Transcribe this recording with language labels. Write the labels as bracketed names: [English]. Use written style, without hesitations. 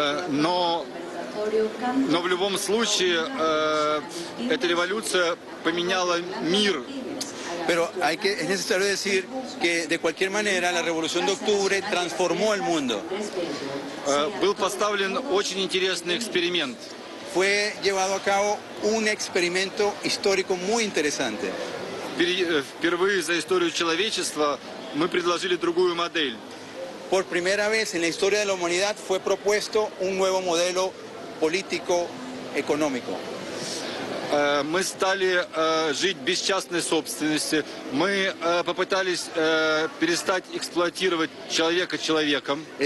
[Russian] Но в любом случае эта революция поменяла мир. [Spanish] Pero es necesario decir que de cualquier manera la Revolución de Octubre transformó el mundo. [Russian] Был поставлен очень интересный эксперимент. [Spanish] Fue llevado a cabo un experimento histórico muy interesante. [Russian] Впервые за историю человечества мы предложили другую модель. [Spanish] Por primera vez en la historia de la humanidad fue propuesto un nuevo modelo político económico. [Russian] Мы стали жить без частной собственности. Мы попытались перестать эксплуатировать человека человеком.